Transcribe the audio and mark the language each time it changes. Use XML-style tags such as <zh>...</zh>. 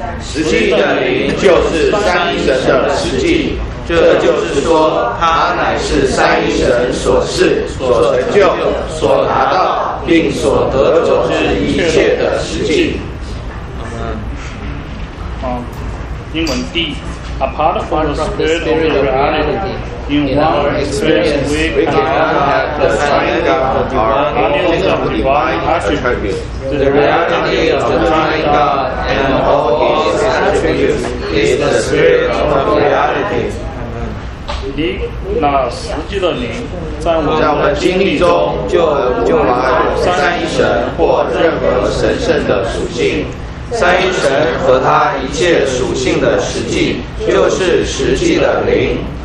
<zh>实际的灵就是三一神的实际，这就是说，他乃是三一神所示、所成就、所达到，并所得着之一切的实际。阿门。英文 D。</zh> <en>Apart from the spirit of the reality, in our experience, we cannot have the triune God of divine attributes. The reality of the triune God and all his attributes is the spirit of the reality.</en> <zh>灵，那实际的灵，在我们的经历中就没有三一神或任何神圣的属性。三一神和他一切属性的实际，就是实际的灵。</zh>